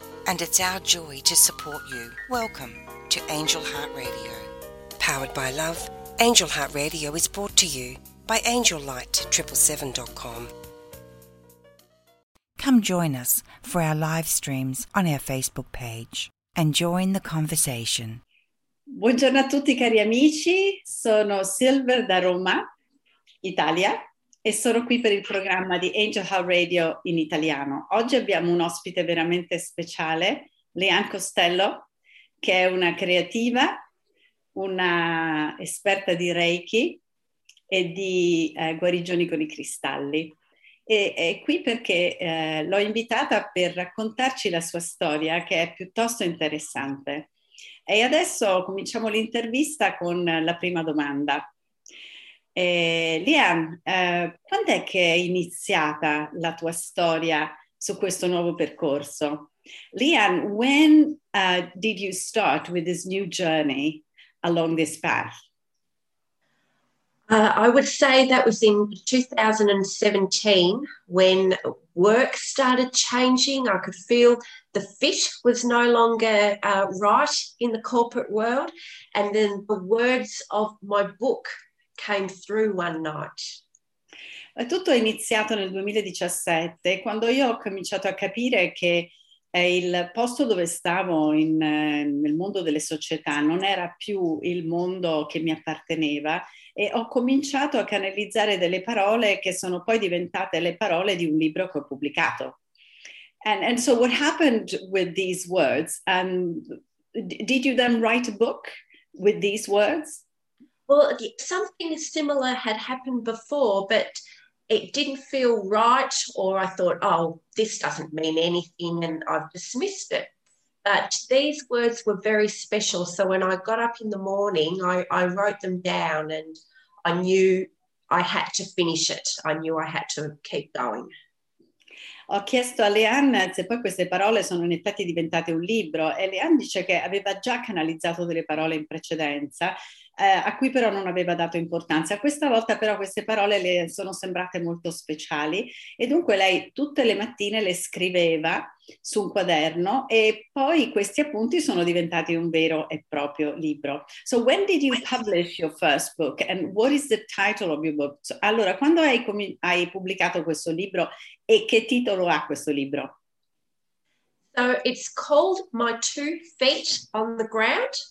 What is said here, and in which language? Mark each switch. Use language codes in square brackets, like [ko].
[en] And it's our joy to support you. Welcome to Angel Heart Radio. Powered by love, Angel Heart Radio is brought to you by angellight777.com. Come join us for our live streams on our Facebook page and join the conversation. [it] Buongiorno a tutti cari amici, sono Silver da Roma, Italia, e sono qui per il programma di Angel Heart Radio in italiano. Oggi abbiamo un ospite veramente speciale, Leanne Costello, che è una creativa, una esperta di Reiki e di guarigioni con i cristalli. E è qui perché l'ho invitata per raccontarci la sua storia, che è piuttosto interessante. E adesso cominciamo l'intervista con la prima domanda. Leanne, quando è che è iniziata la tua storia su questo nuovo percorso? [en] Leanne, when did you start with this new journey along this path? I would say that was in 2017 when work started changing. I could feel the fit was no longer right in the corporate world. And then the words of my book came through one night. [it] Tutto è iniziato nel 2017, quando io ho cominciato a capire che il posto dove stavo nel mondo delle società non era più il mondo che mi apparteneva, e ho cominciato a canalizzare delle parole che sono poi diventate le parole di un libro che ho pubblicato. [en] And so what happened with these words? Did you then write a book with these words? Well, something similar had happened before, but it didn't feel right, or I thought, oh, this doesn't mean anything, and I've dismissed it. But these words were very special, so when I got up in the morning, I wrote them down, and I knew I had to finish it. I knew I had to keep going. [it] Ho chiesto a Leanne se poi queste parole sono in effetti diventate un libro, e Leanne dice che aveva già canalizzato delle parole in precedenza, a cui però non aveva dato importanza. Questa volta però queste parole le sono sembrate molto speciali, e dunque lei tutte le mattine le scriveva su un quaderno, e poi questi appunti sono diventati un vero e proprio libro. [en] So when did you publish your first book and what is the title of your book? [it] So, allora, quando hai pubblicato questo libro e che titolo ha questo libro? [en] So it's called My Two Feet on the Ground.